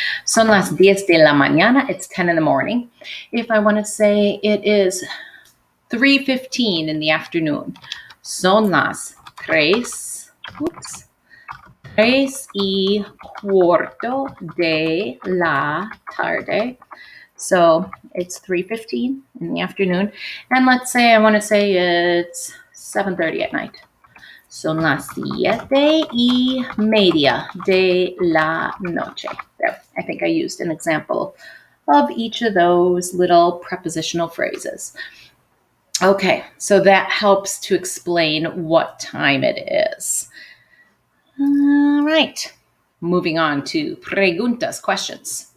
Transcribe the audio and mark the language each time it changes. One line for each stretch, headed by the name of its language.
Spanish: Son las 10 de la mañana.
English: It's 10 in the morning. If I want to say it is 3:15 in the afternoon,
Spanish: son las tres,
English: oops,
Spanish: tres y cuarto de la tarde.
English: So it's 3:15 in the afternoon. And let's say I want to say it's 7:30 at night.
Spanish: Son las siete y media de la noche.
English: There, I think I used an example of each of those little prepositional phrases. Okay, so that helps to explain what time it is. All right, moving on to preguntas, questions.